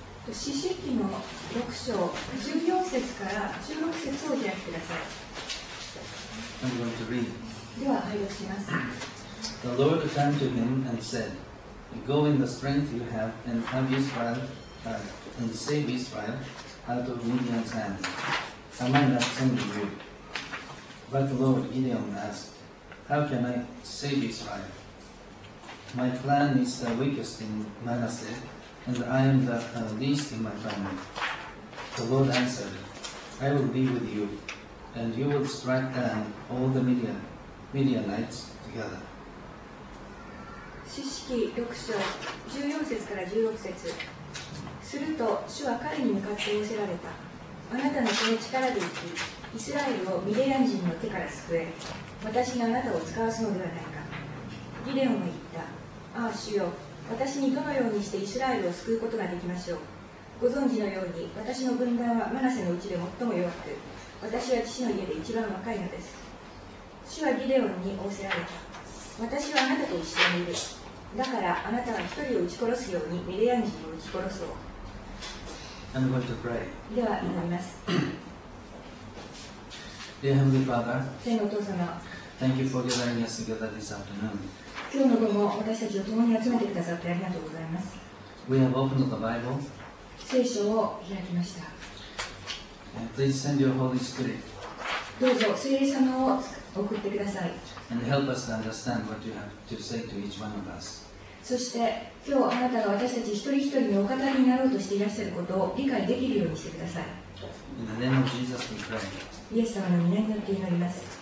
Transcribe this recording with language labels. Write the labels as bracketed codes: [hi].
[ja] 四世紀の六章十四節から十六節を開きください。 [en] I'm going to read. [ja] では拝読します。 [en] The Lord turned to him and said, Go in the strength you have and have Israel, and save Israel out of Midian's hand. Am I not sending you? But the Lord Gideon asked,How can I save Israel? My clan is the weakest in Manasseh, and I am the least in my family. The Lord answered, I will be with you, and you will strike down all the Midianites together. [ja] 四式六章十四節から十六節。すると主は彼に向かって仰せられた。あなたのその力で行き、イスラエルをミディアン人の手から救え。私があなたを使わすのではないか。ギデオンも言った。ああ、主よ、私にどのようにしてイスラエルを救うことができましょう。ご存知のように、私の軍団はマナセのうちで最も弱く、私は父の家で一番若いのです。主はギデオンに仰せられた。私はあなたと一緒にいる。だからあなたは一人を撃ち殺すようにミディアン人を撃ち殺そう。 [en] I'm going to pray. [ja] では祈ります。 [en] Dear Heavenly Father, [ja] 天のお父様、 [en] Thank you for gathering us together this afternoon. [ja] 今日の午後、私たちを共に集めてくださってありがとうございます。 [en] We have opened the Bible. [ja] 聖書を開きました。 [en] And please send your Holy Spirit. [ja] どうぞ聖霊様を送ってください。 [en] And help us to understand what you have to say to each one of us. [ja] そして、今日あなたが私たち一人一人にお語りになろうとしていらっしゃることを理解できるようにしてください。 [en] In the name of Jesus, we pray. [ja] イエス様の御名によって祈ります。